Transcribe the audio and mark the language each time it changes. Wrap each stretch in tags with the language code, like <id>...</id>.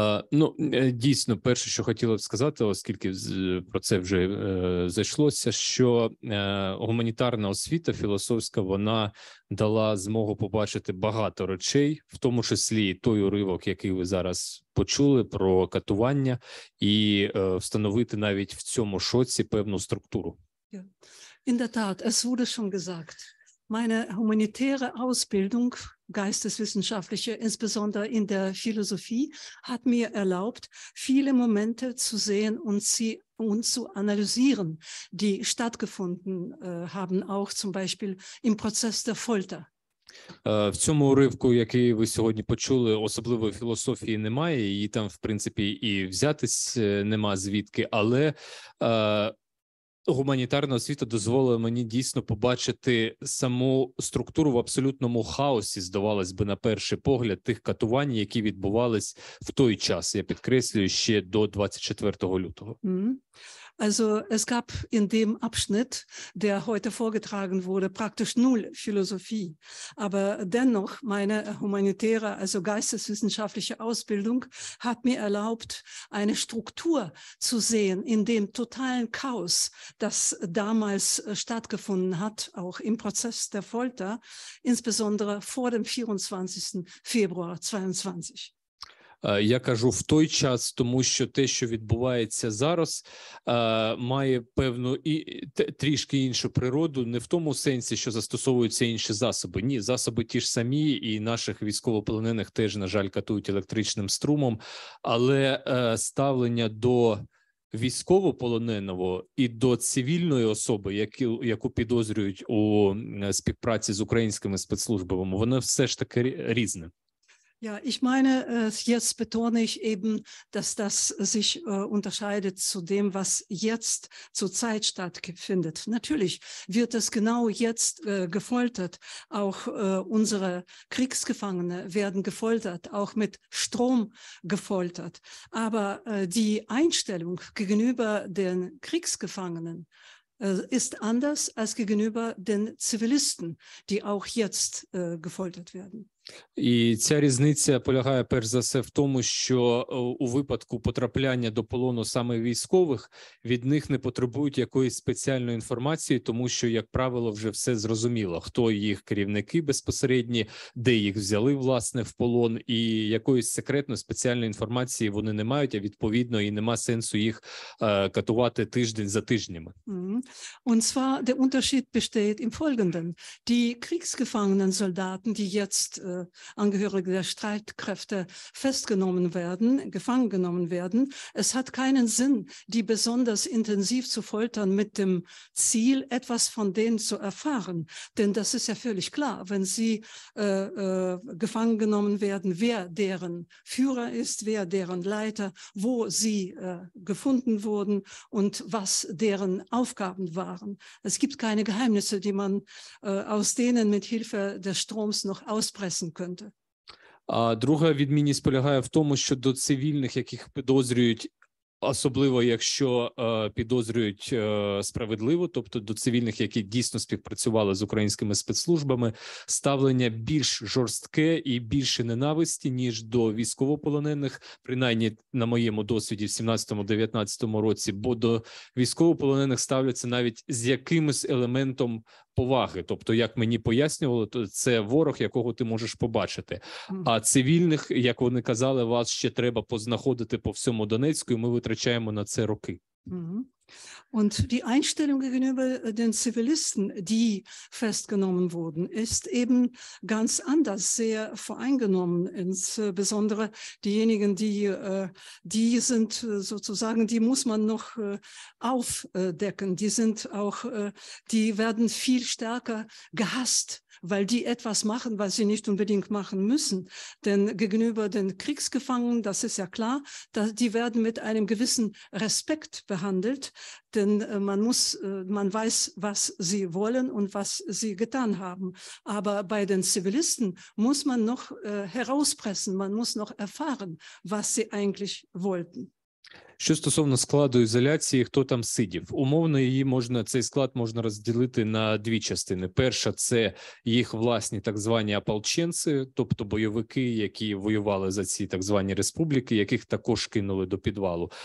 <uk>Ну, дійсно, перше, що хотіла б сказати, оскільки про це вже зайшлося, що гуманітарна освіта філософська, вона дала змогу побачити багато речей, в тому числі той уривок, який ви зараз почули про катування, і встановити навіть в цьому шоці певну структуру.</uk> <de>In der Tat, es wurde schon gesagt, meine humanitäre Ausbildung, geisteswissenschaftliche, insbesondere in der Philosophie, hat mir erlaubt, viele Momente zu sehen und zu analysieren, die stattgefunden haben, auch zum Beispiel im Prozess der Folter.</de> <uk>В цьому уривку, який ви сьогодні почули, особливої філософії немає, її там, в принципі, і взятись нема звідки, але... Гуманітарна освіта дозволила мені дійсно побачити саму структуру в абсолютному хаосі, здавалось би, на перший погляд, тих катувань, які відбувались в той час, я підкреслюю, ще до 24 лютого.</uk> <de>Also es gab in dem Abschnitt, der heute vorgetragen wurde, praktisch null Philosophie. Aber dennoch, meine humanitäre, also geisteswissenschaftliche Ausbildung hat mir erlaubt, eine Struktur zu sehen in dem totalen Chaos, das damals stattgefunden hat, auch im Prozess der Folter, insbesondere vor dem 24. Februar 22.</de> <uk>Я кажу в той час, тому що те, що відбувається зараз, має певну і трішки іншу природу, не в тому сенсі, що застосовуються інші засоби. Ні, засоби ті ж самі, і наших військовополонених теж, на жаль, катують електричним струмом, але ставлення до військовополоненого і до цивільної особи, яку підозрюють у співпраці з українськими спецслужбами, воно все ж таки різне.</uk> <de>Ja, ich meine, jetzt betone ich eben, dass das sich unterscheidet zu dem, was jetzt zur Zeit stattfindet. Natürlich wird es genau jetzt gefoltert. Auch unsere Kriegsgefangene werden gefoltert, auch mit Strom gefoltert. Aber die Einstellung gegenüber den Kriegsgefangenen ist anders als gegenüber den Zivilisten, die auch jetzt gefoltert werden.</de> <uk>І ця різниця полягає перш за все в тому, що у випадку потрапляння до полону саме військових, від них не потребують якоїсь спеціальної інформації, тому що, як правило, вже все зрозуміло, хто їх керівники безпосередні, де їх взяли, власне, в полон, і якоїсь секретної спеціальної інформації вони не мають, а відповідно і нема сенсу їх катувати тиждень за тижнями.</uk> <de>Und zwar, der Unterschied besteht im Folgenden. Die kriegsgefangenen Soldaten, die jetzt Angehörige der Streitkräfte festgenommen werden, gefangen genommen werden. Es hat keinen Sinn, die besonders intensiv zu foltern mit dem Ziel, etwas von denen zu erfahren. Denn das ist ja völlig klar, wenn sie gefangen genommen werden, wer deren Führer ist, wer deren Leiter, wo sie gefunden wurden und was deren Aufgaben waren. Es gibt keine Geheimnisse, die man aus denen mit Hilfe des Stroms noch auspressen könnte.</de> <uk>А друга відмінність полягає в тому, що до цивільних, яких підозрюють, особливо якщо підозрюють справедливо, тобто до цивільних, які дійсно співпрацювали з українськими спецслужбами, ставлення більш жорстке і більше ненависті, ніж до військовополонених, принаймні на моєму досвіді в 17-19 році, бо до військовополонених ставляться навіть з якимось елементом поваги, тобто, як мені пояснювали, то це ворог, якого ти можеш побачити. А цивільних, як вони казали, вас ще треба познаходити по всьому Донецьку, і ми витрачаємо на це роки.</uk> <de>Und die Einstellung gegenüber den Zivilisten, die festgenommen wurden, ist eben ganz anders, sehr voreingenommen. Insbesondere diejenigen, die sind sozusagen, die muss man noch aufdecken. Die sind auch, die werden viel stärker gehasst, weil die etwas machen, was sie nicht unbedingt machen müssen. Denn gegenüber den Kriegsgefangenen, das ist ja klar, die werden mit einem gewissen Respekt behandelt, denn man weiß, was sie wollen und was sie getan haben. Aber bei den Zivilisten muss man noch herauspressen, man muss noch erfahren, was sie eigentlich wollten.</de> <uk>Що стосовно складу ізоляції, хто там сидів? Умовно, її можна, цей склад можна розділити на дві частини. Перша – це їх власні так звані ополченці, тобто бойовики, які воювали за ці так звані республіки, яких також кинули до підвалу.</uk>